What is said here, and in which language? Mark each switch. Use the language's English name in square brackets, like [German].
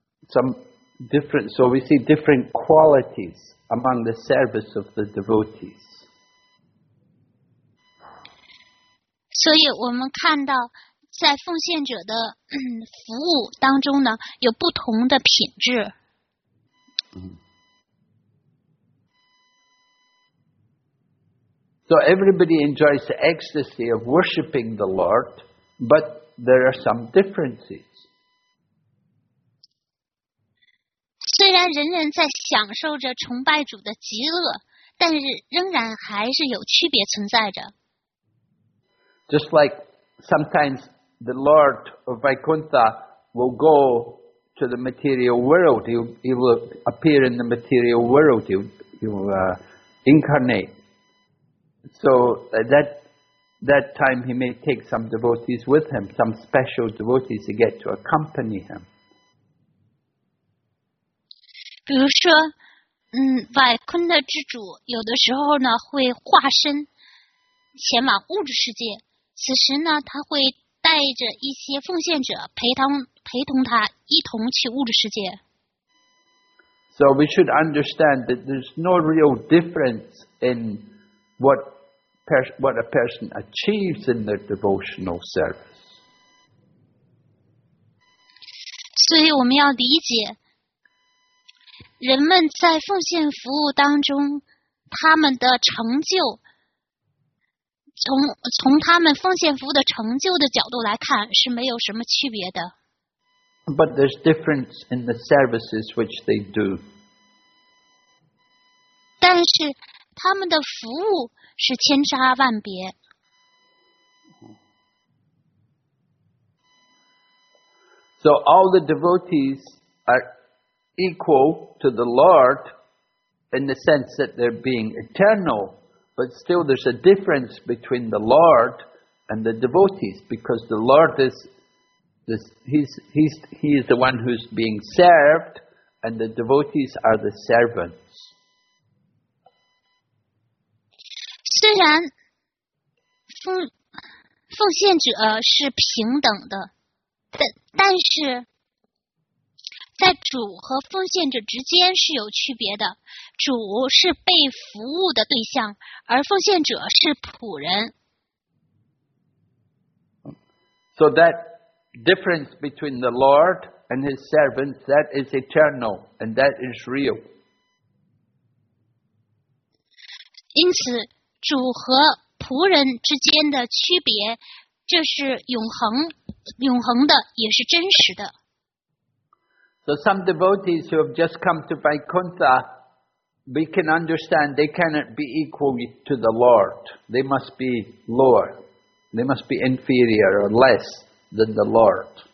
[English] Some different, so we see different qualities among the service of the devotees. [Chinese] 所以我们看到在奉献者的服务当中呢，有不同的品质。 [English] So everybody enjoys the ecstasy of worshipping the Lord, but there are some differences. [Chinese] 虽然人人在享受着崇拜主的极乐，但是仍然还是有区别存在着。 [English] Just like sometimes the Lord of Vaikuntha will go to the material world. He will appear in the material world. He will incarnate. So at that time he may take some devotees with him, some special devotees to get to accompany him. [Chinese] 比如说，外坤的之主有的时候呢会化身前往物质世界，此时呢他会带着一些奉献者陪同他一同去物质世界。 [English] So we should understand that there's no real difference in what a person achieves in their devotional service. [Chinese] 所以我们要理解，人们在奉献服务当中，他们的成就，从他们奉献服务的成就的角度来看，是没有什么区别的。 [English] But there's difference in the services which they do. [Chinese] 但是他们的服务是千差万别。 [English] So all the devotees are equal to the Lord in the sense that they're being eternal, but still there's a difference between the Lord and the devotees, because the Lord is the one who's being served, and the devotees are the servants. [Chinese] 虽然奉献者是平等的，但是在主和奉献者之间是有区别的，主是被服务的对象，而奉献者是仆人。 [English] So that difference between the Lord and his servants, that is eternal and that is real. [Chinese] 因此，主和仆人之间的区别，这是永恒的，也是真实的。 [English] So some devotees who have just come to Vaikuntha, we can understand they cannot be equal to the Lord. They must be lower. They must be inferior or less than the Lord.